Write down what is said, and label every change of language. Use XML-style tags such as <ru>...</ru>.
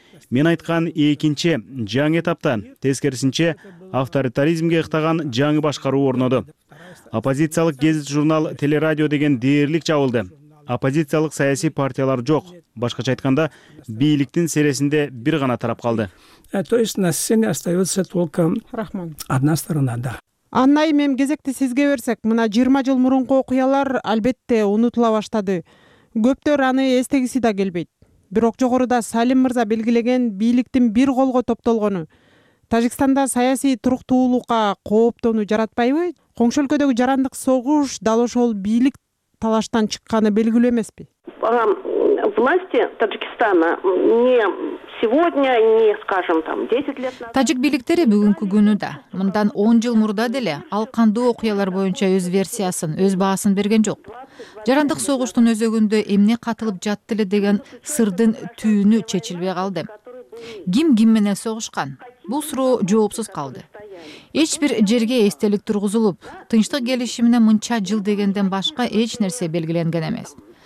<ky>Мен айткан экинчи жаңы этапта тескерисинче авторитаризмге ыктаган жаңы башкаруу орноду. Оппозициялык гезит журнал Телерадио деген дээрлик жабылды. Оппозициялык саясий партиялар жок. Башкача айтканда, бийликтин сересинде бир гана тарап калды.</ky> <ru>То есть на сцене остается только одна сторона, да.</ru> <ky>Анна, эми кезекти сизге берсек, мына 20 жыл мурунку окуялар албетте унутула баштады. Көптөр аны эстегиси да келбейт. Бирок жогоруда Салим мырза белгилеген бийликтин бир колго топтолгону Тажикстанда саясий туруктуулукка кооптонуу жаратпайбы? Коңшу өлкөдөгү жарандык согуш дал ошол бийлик талаштан чыкканы белгилүү эмеспи?</ky> <ru>Власти Таджикистана не сегодня, не, скажем, там 10 лет назад.</ru> <ky>Тажик бийликтери бүгүнкү күнү да, мындан 10 жыл мурда деле ал кандуу окуялар боюнча өз версиясын, өз баасын берген жок. Жарандык согуштун өзөгүндө эмне катылып жатты эле деген сырдын түйүнү чечилбей калды. Ким ким менен согушкан? Бул суроо жоопсуз калды. Эч бир жерге эстелик тургузулуп, тынчтык келишимине мынча жыл дегенден башка эч нерсе белгиленген эмес.</ky>